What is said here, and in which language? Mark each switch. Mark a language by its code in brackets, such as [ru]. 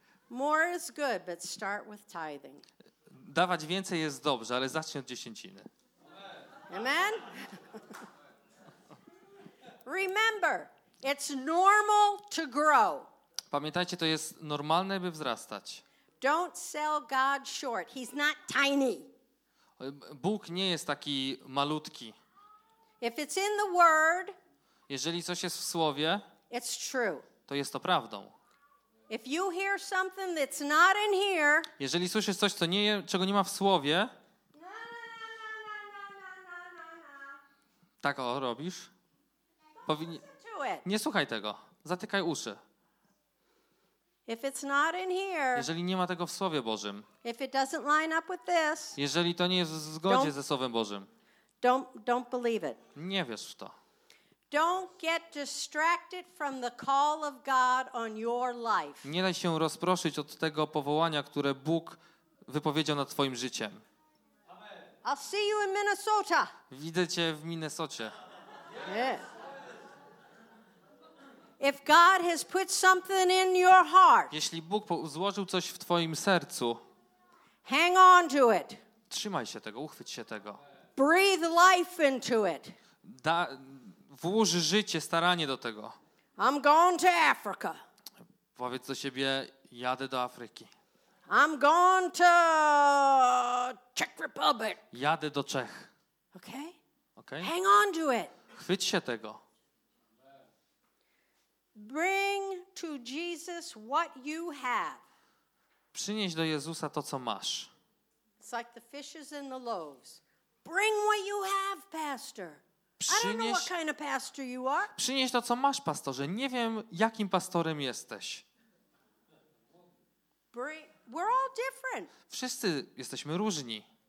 [en] More is good, but start with tithing. [pl] Dawać więcej jest dobrze, ale zacznij od dziesięciny. [en] Amen. Remember, it's normal to grow. [pl] Pamiętajcie, to jest normalne, by wzrastać. [en] Don't sell God short. He's not tiny. [pl] Bóg nie jest taki malutki. [en] If it's in the word, [pl] jeżeli coś jest w słowie, [en] it's true. [pl] To jest to prawdą. [en] If you hear something that's not in here, [pl] jeżeli słyszysz coś, co nie, czego nie ma w słowie, tak o robisz. Nie słuchaj tego. Zatykaj uszy. [en] If it's not in here, [pl] jeżeli nie ma tego w Słowie Bożym, [en] if it doesn't line up with this, [pl] jeżeli to nie jest w zgodzie ze Słowem Bożym, [en] don't believe it. [pl] Nie wierz w to. [en] Don't get distracted from the call of God on your life. [pl] Nie daj się rozproszyć od tego powołania, które Bóg wypowiedział nad twoim życiem. [en] Amen. I'll see you in Minnesota. [pl] Widzę cię w Minnesocie. [en] Yeah. If God has put something in your heart, [pl] jeśli Bóg złożył coś w twoim sercu, [en] hang on to it. [pl] Trzymaj się tego, uchwyć się tego. [en] Breathe life into it. [pl] włóż życie, staranie do tego. [en] I'm going to Africa. [pl] Powiedz do siebie, jadę do Afryki. [en] I'm going to Czech Republic. [pl] Jadę do Czech. [en] Okay? [pl] Okay? [en] Hang on to it. [pl] Chwyć się tego. [en] Bring to Jesus what you have. [pl] Przynieś do Jezusa to, co masz. [en] It's like the fishes and the loaves. Bring what you have, pastor. [pl] Przynieś, [en] I don't know what kind of pastor you are. [pl] Przynieś to, co masz, pastorze. Nie wiem, jakim pastorem jesteś. [en] We're all different. [pl] Wszyscy jesteśmy różni.